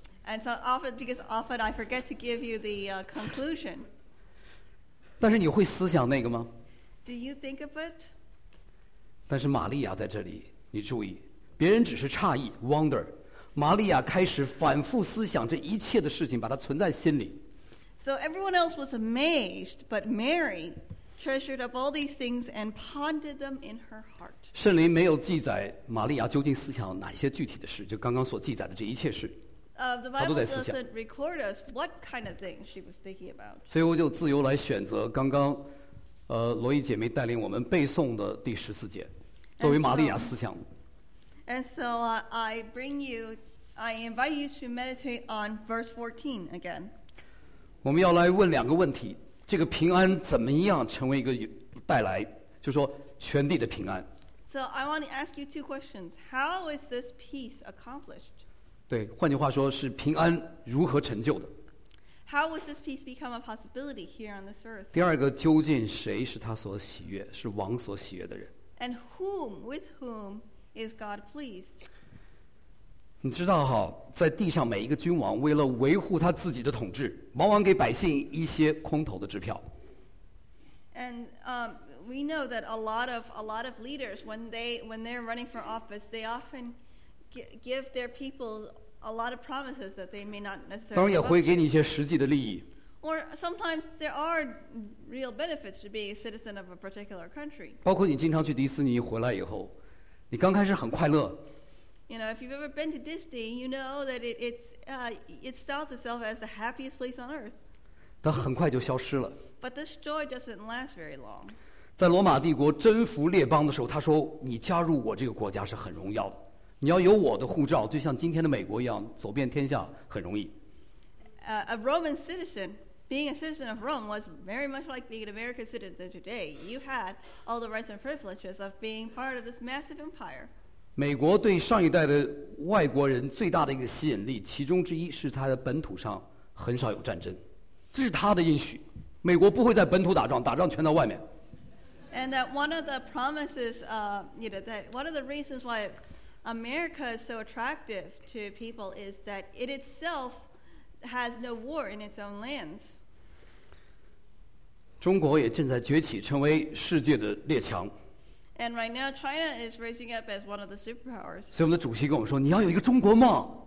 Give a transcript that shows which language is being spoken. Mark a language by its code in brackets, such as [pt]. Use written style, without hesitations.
[en] And so often, because often I forget to give you the conclusion. [zh] 但是你会思想那个吗？ [en] Do you think of it? [zh] 但是玛利亚在这里，你注意，别人只是诧异 wonder， 玛利亚开始反复思想这一切的事情，把它存在心里。 [en] So everyone else was amazed, but Mary treasured up all these things and pondered them in her heart. [zh] 圣灵没有记载玛利亚究竟思想哪些具体的事，就刚刚所记载的这一切事，她都在思想。 [en] The Bible doesn't record us what kind of things she was thinking about. [zh] 所以我就自由来选择刚刚，罗伊姐妹带领我们背诵的第十四节，作为玛利亚思想。 [en] And so I invite you to meditate on verse 14 again. [zh] 我们要来问两个问题。这个平安怎么样成为一个带来，就是说全地的平安。 [en] So I want to ask you two questions. How is this peace accomplished? [zh] 对，换句话说是平安如何成就的。 [en] How was this peace become a possibility here on this earth? [zh] 第二个，究竟谁是他所喜悦，是王所喜悦的人。 [en] And whom, with whom is God pleased? [zh] 你知道哈，在地上每一个君王为了维护他自己的统治，往往给百姓一些空头的支票。 [en] And we know that a lot of leaders when they're running for office, they often give their people a lot of promises that they may not necessarily. [zh] 当然也会给你一些实际的利益。 [en] Or sometimes there are real benefits to being a citizen of a particular country. [zh] 包括你经常去迪士尼回来以后，你刚开始很快乐。 [en] You know, if you've ever been to Disney, you know that it styles itself as the happiest place on earth. [zh] 但很快就消失了。 [en] But this joy doesn't last very long. [zh] 在罗马帝国征服列邦的时候，他说：“你加入我这个国家是很荣耀的，你要有我的护照，就像今天的美国一样，走遍天下很容易。” [en] A Roman citizen, being a citizen of Rome, was very much like being an American citizen today. You had all the rights and privileges of being part of this massive empire. [zh] 美国对上一代的外国人最大的一个吸引力，其中之一是他的本土上很少有战争，这是他的应许。美国不会在本土打仗，打仗全在外面。 [en] And that one of the promises, you know, that one of the reasons why America is so attractive to people is that it itself has no war in its own lands. [zh] 中国也正在崛起，成为世界的列强。 [en] And right now, China is raising up as one of the superpowers. [zh] 所以我们的主席跟我说，你要有一个中国梦。